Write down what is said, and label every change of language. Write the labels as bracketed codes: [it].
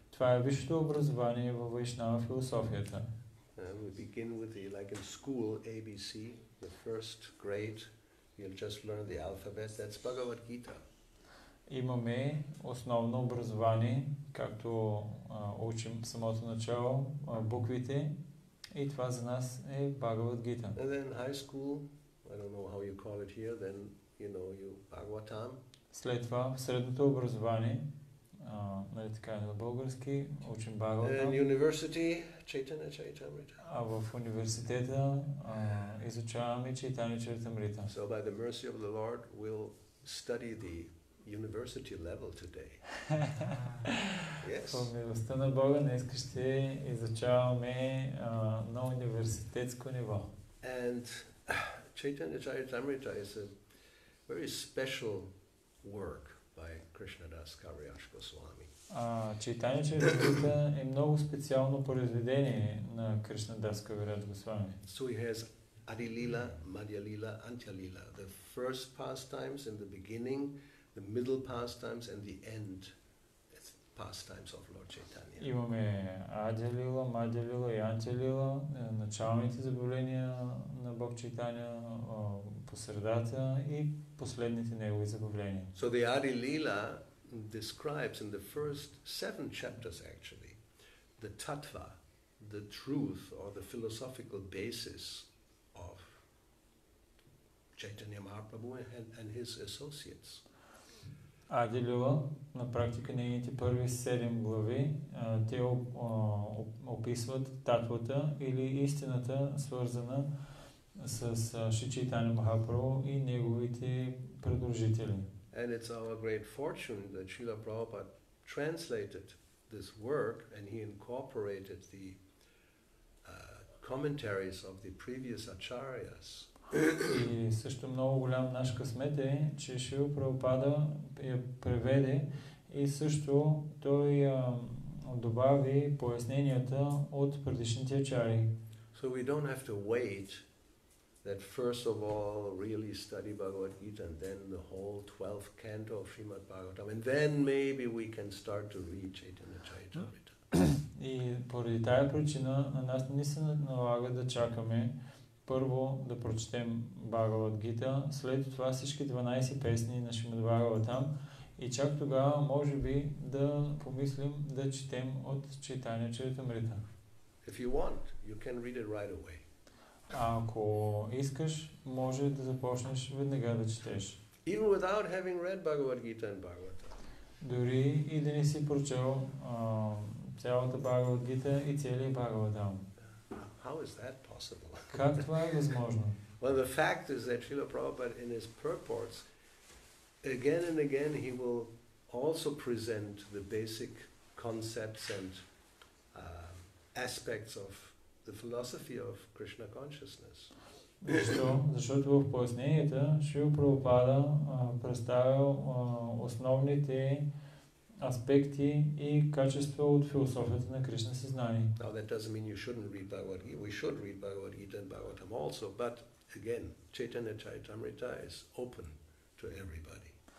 [bg] Това е висшето образование в Вайшнава философията. [en] We begin with the, like in school, ABC, the first grade, you'll just learn the alphabet, that's Bhagavad Gita. [bg] Имаме основно образование, както учим самото начало, буквите, и това за нас е Bhagavad Gita. [en] And then high school, I don't know how you call it here, then you know you Bhagavatam. [bg] След това, в средното образование, нали така, на български, учим Бхагавата. [en] And university, Chaitanya Charitamrita. [bg] А в университета изучаваме Чайтанья Чаритамрита. [en] So by the mercy of the Lord, we'll study the university level today. Yes. [bg] По милостта на Бога, днес ще изучаваме на университетско ниво. [en] And Chaitanya Charitamrita is a very special work by Krishnadas Kaviraj Goswami. [bg] Chaitanya Charitamrita е много специално произведение на Кришнадас Кавираджа Госвами. [en] So he has Adilila, Madhyalila, Antyalila, the first pastimes in the beginning, the middle pastimes and the end pastimes of Lord Chaitanya. [bg] Имаме Адилила, Мадилила и Антилила, началните забавления на Бог Чайтанья по средата и последните негови забавления. [en] So the Адилила describes in the first seven chapters actually the tattva, the truth or the philosophical basis of Chaitanya Mahaprabhu and his associates. [bg] Адилила, на практика нейните първи седем глави, те описват татвата или истината, свързана с Шри Чайтанья Махапрабху и неговите придружители. [en] And it's our great fortune that Srila Prabhupada translated this work and he incorporated the commentaries of the previous acharyas. [bg] И също много голям наш късмет е, че Шрила Прабхупада я преведе и също той добави поясненията от предишните ачари. [en] So we don't have to wait that first of all really study Bhagavad Gita and then the whole 12th canto of Srimad Bhagavatam and then maybe we can start to read Chaitanya Charitamrita. [bg] И поради тая причина на нас не се налага да чакаме първо да прочетем Бхагавад Гита, след това всички 12 песни на Шримад Бхагаватам и чак тогава може би да помислим да четем от Чайтанья Чаритамрита. [en] If you want, you can read it right away. [bg] Ако искаш, може да започнеш веднага да четеш. [en] Even without having read Bhagavad Gita and Bhagavatam. [bg] Дори и да не си прочел цялата Бхагавад Гита и целия Бхагаватам. [en] How is that possible? [bg] Как това е възможно? [en] Well, the fact is that Srila Prabhupada in his purports again and again he will also present the basic concepts and aspects of the philosophy of Krishna consciousness. [bg] Защото в поясненията Шрила Прабхупада представил основните аспекти и качества от философията на Кришна съзнание. [en] Now that doesn't mean you shouldn't read Bhagavad Gita. We should read Bhagavad Gita and Bhagavatam also, but again, Chaitanya Charitamrita is open to everybody.